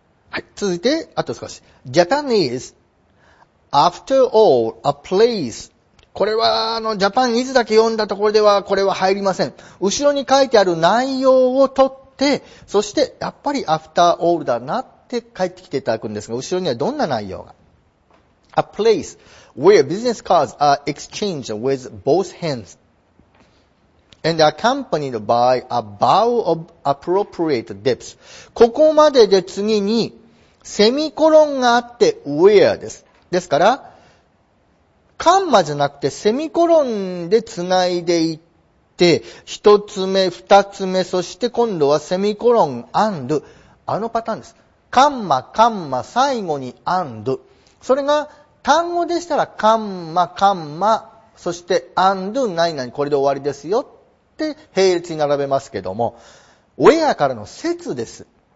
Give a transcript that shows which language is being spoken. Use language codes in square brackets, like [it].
[ja] はい、続いてあと少し。 [en] Japanese, after all, a place。 [ja] これはJapanese だけ読んだところではこれは入りません。後ろに書いてある内容を取って、そしてやっぱり [en] after all [ja] だなって帰ってきていただくんですが、後ろにはどんな内容が。 [en] A place where business cards are exchanged with both hands and accompanied by a bow of appropriate depth. [ja] ここまでで次にセミコロンがあって where です。ですから、カンマじゃなくてセミコロンでつないでいって、一つ目、二つ目、そして今度はセミコロン and あのパターンです。カンマ、カンマ、最後に and。それが単語でしたら、カンマ、カンマ、そして、アンドゥ、ナイナイ、これで終わりですよって、並列に並べますけども、ウェアからの説です。